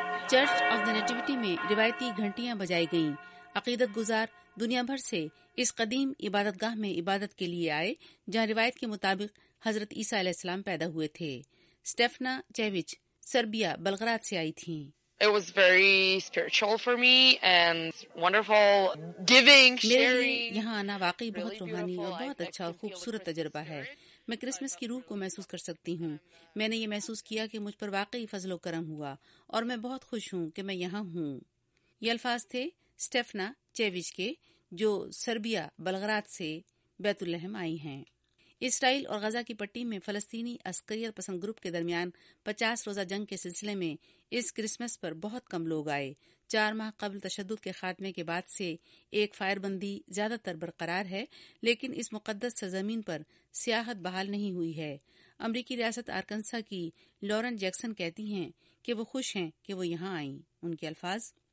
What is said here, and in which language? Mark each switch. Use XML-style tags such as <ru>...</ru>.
<ur>Church of the نیٹیوٹی میں روایتی گھنٹیاں بجائی گئیں۔ عقیدت گزار دنیا بھر سے اس قدیم عبادت گاہ میں عبادت کے لیے آئے، جہاں روایت کے مطابق حضرت عیسیٰ علیہ السلام پیدا ہوئے تھے۔ سٹیفنا چیوچ سربیا بلغراد سے آئی تھیں۔</ur> <en>It was very spiritual for me and wonderful giving, sharing.</en> <ur>میرے یہاں آنا واقعی بہت روحانی اور بہت اچھا اور خوبصورت تجربہ ہے۔ میں کرسمس کی روح کو محسوس کر سکتی ہوں۔ میں نے یہ محسوس کیا کہ مجھ پر واقعی فضل و کرم ہوا، اور میں بہت خوش ہوں کہ میں یہاں ہوں۔ یہ الفاظ تھے سٹیفنا چیوچ کے، جو سربیا بلغراد سے بیت الحم آئی ہیں۔ اسرائیل اور غزہ کی پٹی میں فلسطینی عسکریت پسند گروپ کے درمیان 50 روزہ جنگ کے سلسلے میں اس کرسمس پر بہت کم لوگ آئے۔ 4 ماہ قبل تشدد کے خاتمے کے بعد سے ایک فائر بندی زیادہ تر برقرار ہے، لیکن اس مقدس سرزمین پر سیاحت بحال نہیں ہوئی ہے۔ امریکی ریاست آرکنسا کی لورن جیکسن کہتی ہیں کہ وہ خوش ہیں کہ وہ یہاں آئیں۔ ان کے الفاظ،</ur>